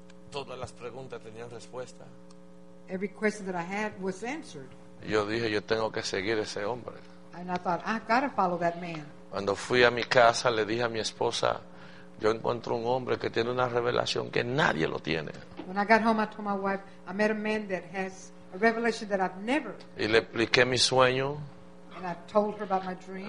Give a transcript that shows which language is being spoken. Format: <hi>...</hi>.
<es>Todas las preguntas tenían respuesta.</es> <en>Every question that I had was answered.</en> <es>Yo dije, yo tengo que seguir ese hombre.</es> <en>And I thought, I've got to follow that man.</en> <es>Cuando fui a mi casa, le dije a mi esposa, yo encuentro un hombre que tiene una revelación que nadie lo tiene.</es> <en>When I got home, I told my wife, I met a man that has a revelation that I've never.</en> <es>Y le expliqué mi sueño.</es> <en>And I told her about my dream.</en>